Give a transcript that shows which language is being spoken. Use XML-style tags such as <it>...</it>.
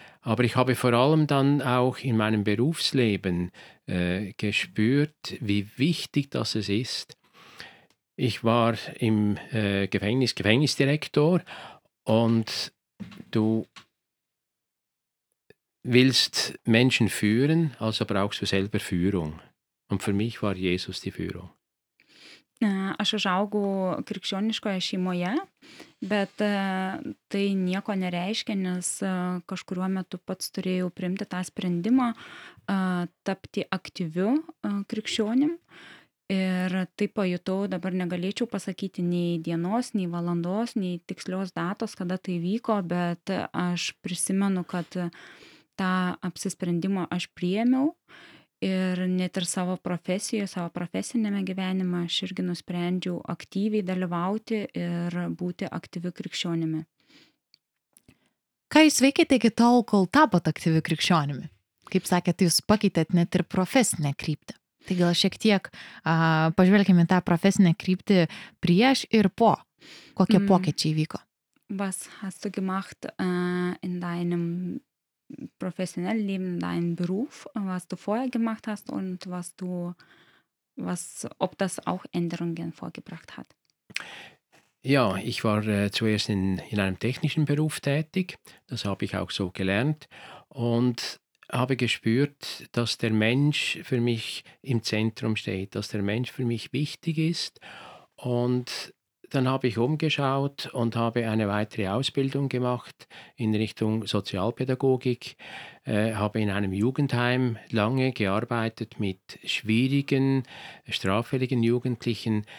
<de>Aber ich habe vor allem dann auch in meinem Berufsleben gespürt, wie wichtig das es ist. Ich war im Gefängnis, Gefängnisdirektor, und du willst Menschen führen, also brauchst du selber Führung. Und für mich war Jesus die Führung.</de> <lt>Aš užaugau krikščioniškoje šeimoje, bet tai nieko nereiškia, nes kažkuriuo metu pats turėjau priimti tą sprendimą tapti aktyviu krikščionim. Ir tai pajutau, dabar negalėčiau pasakyti nei dienos, nei valandos, nei tikslios datos, kada tai vyko, bet aš prisimenu, kad tą apsisprendimą aš priėmiau. Ir net ir savo profesijoje, savo profesinėme gyvenime aš irgi nusprendžiau aktyviai dalyvauti ir būti aktyviu krikščionimi. Ką jūs veikėte iki tol, kol tapot aktyviu krikščionimi? Kaip sakėte, jūs pakeitėt net ir profesinę kryptį. Tai gal šiek tiek pažvelkime tą profesinę kryptį prieš ir po. Kokie pokyčiai vyko?</lt> <de>Was hast du gemacht in deinem professionell leben, dein Beruf, was du vorher gemacht hast und was du, was, ob das auch Änderungen vorgebracht hat? Ja, ich war zuerst in einem technischen Beruf tätig, das habe ich auch so gelernt und habe gespürt, dass der Mensch für mich im Zentrum steht, dass der Mensch für mich wichtig ist und dann habe ich umgeschaut und habe eine weitere Ausbildung gemacht in Richtung Sozialpädagogik, habe in einem Jugendheim lange gearbeitet mit schwierigen, straffälligen Jugendlichen.</de>